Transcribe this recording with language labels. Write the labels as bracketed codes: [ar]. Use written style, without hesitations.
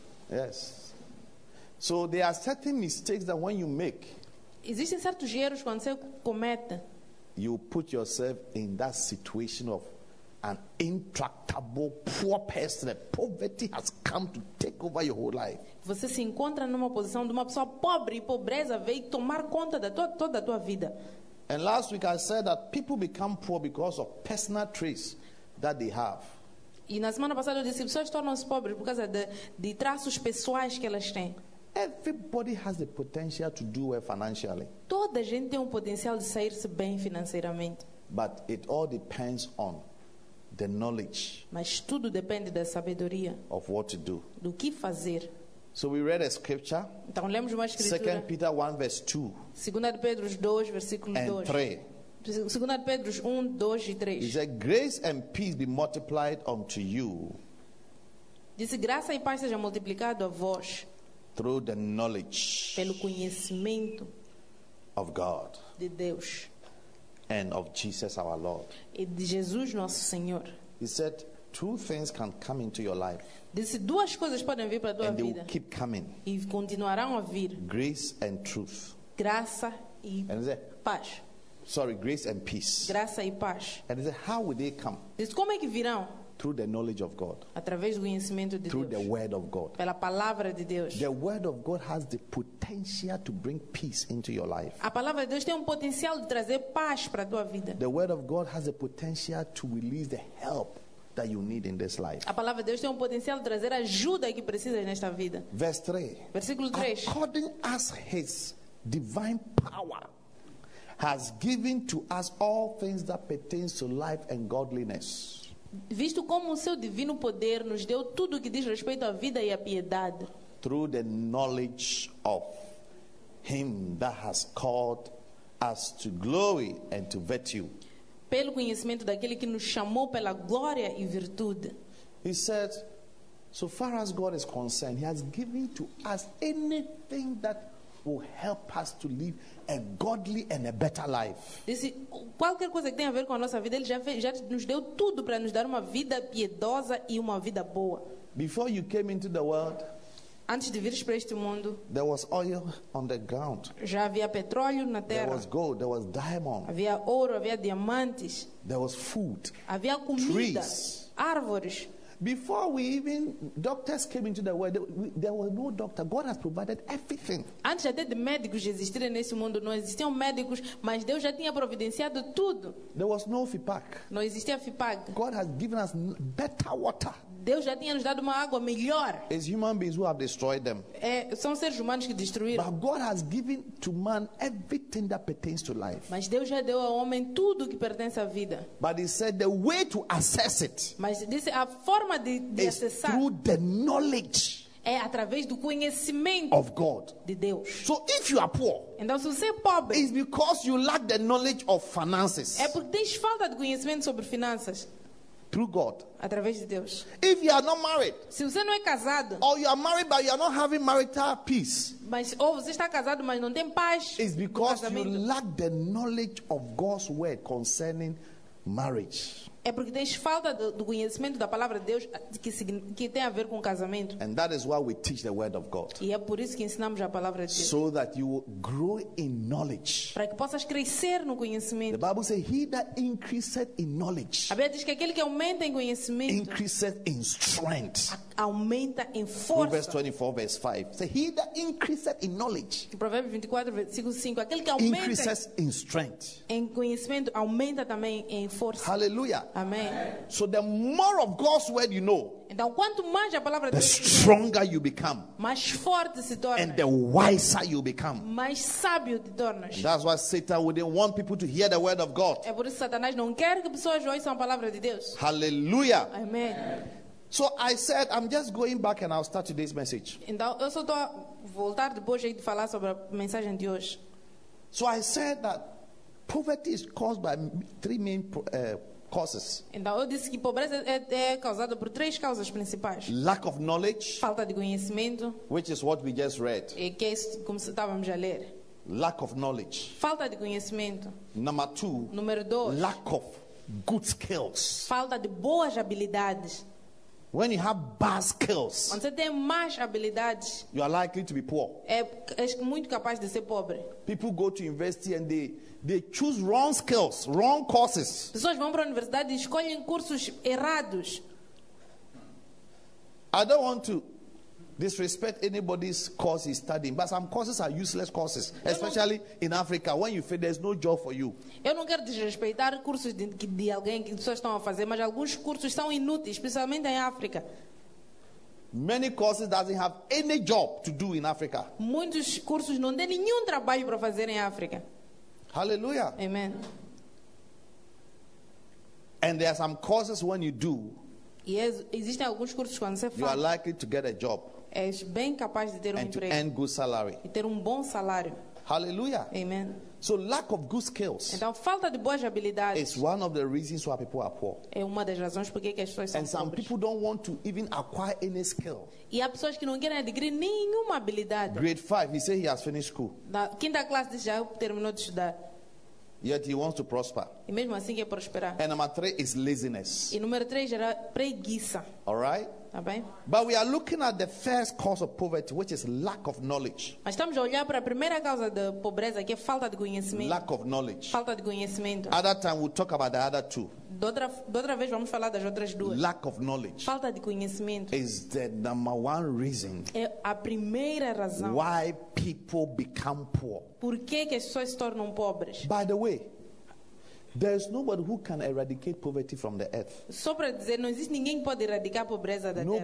[en] Yes. So there are certain mistakes that when you make. [pt] Existem certos erros quando você comete. [en] You put yourself in that situation of an intractable poor person. The poverty has come to take over your whole life. [pt] Você se encontra numa posição de uma pessoa pobre e pobreza veio tomar conta da toda a tua vida. [en] And last week I said that people become poor because of personal traits that they have. [pt] E na semana passada eu disse que pessoas tornam-se pobres por causa de traços pessoais que elas têm. [en] Everybody has the potential to do well financially. [pt] Toda gente tem potencial de sair-se bem financeiramente. [en] But it all depends on the knowledge. [pt] Mas tudo depende da sabedoria. [en] Of what to do. [pt] Do que fazer. [en] So we read a scripture. [pt] Então lemos uma escritura. [en] 2 Peter 1 verse 2. [pt] 2 Pedro 2 versículo 2. [en] And 3. [pt] 2 Pedro 1, 2 e 3. [en] It says, grace and peace be multiplied unto you. [pt] Disse, graça e paz seja multiplicado a vós. [en] Through the knowledge [pt] pelo conhecimento [en] of God [pt] de Deus [en] and of Jesus our Lord. [pt] E de Jesus nosso Senhor. [en] He said two things can come into your life. [pt] Disse duas coisas podem vir para tua [en] and [pt] vida. [en] They will keep coming. [pt] E continuarão a vir. [en] Grace and truth. [pt] Graça e [en] and said, [pt] paz. [en] Sorry, grace and peace. [pt] Graça e paz. [en] And he said, how will they come? [pt] Disse, como é que virão? [en] Through the knowledge of God. [pt] Através do conhecimento de [en] through [pt] Deus. [en] The word of God. [pt] Pela palavra de Deus. [en] The word of God has the potential to bring peace into your life. [pt] A palavra de Deus tem potencial de trazer paz para tua vida. [en] The word of God has the potential to release the help that you need in this life. [pt] A palavra de Deus tem potencial de trazer ajuda que precisas nesta vida. [en] Verse 3. [pt] Versículo 3. [en] According as his divine power has given to us all things that pertain to life and godliness. [pt] Visto como o seu divino poder nos deu tudo o que diz respeito à vida e à piedade. [en] Through the knowledge of him that has called us to glory and to virtue. [pt] Pelo conhecimento daquele que nos chamou pela glória e virtude. [en] He said, so far as God is concerned, he has given to us anything that will help us to live a godly and a better life. [pt] Disse, qualquer coisa que tenha a ver com a nossa vida, ele já nos deu tudo para nos dar uma vida piedosa e uma vida boa. [en] Before you came into the world, [pt] antes de vires para este mundo, [en] there was oil on the ground. [pt] Já havia petróleo na terra. [en] There was gold, there was diamond. [pt] Havia ouro, havia diamantes. [en] There was food. [pt] Havia comida. [en] Trees. [pt] Árvores. [en] Before we even doctors came into the world, there was no doctor. God has provided everything. [pt] Antes até de médicos existirem nesse mundo, não existiam médicos, mas Deus já tinha providenciado tudo. [en] There was no FIPAC. [pt] Não existia FIPAC. [en] God has given us better water. [pt] Deus já tinha nos dado uma água melhor. [en] It's human beings who have destroyed them. [pt] É, são seres humanos que destruíram. [en] But God has given to man everything that pertains to life. [pt] Mas Deus já deu ao homem tudo que pertence à vida. [en] But he said the way to access it. [pt] Mas disse a forma de acessar. [en] Through the knowledge. [pt] É através do conhecimento [en] of God. [pt] De Deus. [en] So if you are poor, [pt] então se você é pobre, [en] it's because you lack the knowledge of finances. [pt] É porque tens falta de conhecimento sobre finanças. [en] Through God. [pt] Através de Deus. [en] If you are not married, [pt] se você não é casado, [en] or you are married but you are not having marital peace, [pt] mas ou você está casado mas não tem paz, [en] it's because you lack the knowledge of God's word concerning marriage. [pt] É porque tens falta do conhecimento da palavra de Deus que tem a ver com casamento. [en] And that is why we teach the word of God. [pt] E é por isso que ensinamos a palavra de Deus. [en] So that you will grow in knowledge. [pt] Para que possas crescer no conhecimento. [en] The Bible says, "He that increaseth in knowledge." [pt] A Bíblia diz que aquele que aumenta em conhecimento. [en] Increaseth in strength. [pt] Aumenta em força. [en] Proverbs 24 verse 5. Say, "He that increaseth in knowledge." [pt] Provérbios 24 versículo 5. Aquele que aumenta. [en] Increaseth in strength. [pt] Em conhecimento aumenta também em força. Hallelujah. Amen. [en] So the more of God's word you know, [pt] então, quanto mais a palavra [en] the stronger you become, [pt] mais forte se tornas, [en] and the wiser you become, [pt] mais sábio te tornas. [en] That's why Satan wouldn't want people to hear the word of God. [pt] É por isso Satanás não quer que pessoas ouçam a palavra de Deus. Hallelujah. Amen. [en] So I said I'm just going back and I'll start today's message. [pt] Então eu só estou a voltar depois de falar sobre a mensagem de hoje. [en] So I said that poverty is caused by three main causes. [pt] Então eu disse que pobreza é causada por três causas principais. [en] Lack of knowledge. [pt] Falta de conhecimento. [en] Which is what we just read. [pt] E que é isso, como estávamos a ler. [en] Lack of knowledge. [pt] Falta de conhecimento. [en] Number two. [pt] Número dois. [en] Lack of good skills. [pt] Falta de boas habilidades. [en] When you have bad skills. [pt] Quando você tem más habilidades. [en] You are likely to be poor. [pt] É muito capaz de ser pobre. [en] People go to university and they choose wrong skills, wrong courses. [pt] Pessoas vão para a universidade e escolhem cursos errados. [en] I don't want to disrespect anybody's course he's studying, but some courses are useless courses, especially in Africa when you feel there's no job for you. [pt] Eu não quero desrespeitar cursos de alguém que pessoas estão a fazer, mas alguns cursos são inúteis, especialmente em África. [en] Many courses doesn't have any job to do in Africa. [pt] Muitos cursos não têm nenhum trabalho para fazer em África. Hallelujah. Amen. [en] And there are some courses when you do. Yes, [pt] existem alguns cursos quando você faz. [en] You are likely to get a job. [pt] És bem capaz de ter um emprego. [en] And good salary. [pt] E ter um bom salário. Hallelujah. Amen. [en] So lack of good skills. [pt] Então falta de boas habilidades. [en] It's one of the reasons why people are poor. [pt] É uma das razões por que as pessoas são pobres. [en] And some people don't want to even acquire any skill. [pt] E há pessoas que não querem adquirir nenhuma habilidade. [en] Grade 5, he said he has finished school. [pt] Na quinta classe diz já terminou de estudar. [en] Yet he wants to prosper. [pt] E mesmo assim quer prosperar. [en] And number 3 is laziness. [pt] E número 3 era preguiça. [en] All right? [pt] Tá bem? [en] But we are looking at the first cause of poverty, which is lack of knowledge. [pt] Mas estamos a olhar para a primeira causa da pobreza, que é falta de conhecimento. [en] Lack of knowledge. [pt] Falta de conhecimento. [en] Other time we'll talk about the other two. [pt] Outra vez vamos falar das outras duas. [en] Lack of knowledge. [pt] Falta de conhecimento. [en] Is the number one reason. [pt] É a primeira razão. [en] Why people become poor. [pt] Por que que as pessoas se tornam pobres? [en] By the way, there is nobody who can eradicate poverty from the earth. [pt] Só para dizer, não existe ninguém que pode erradicar a pobreza da terra.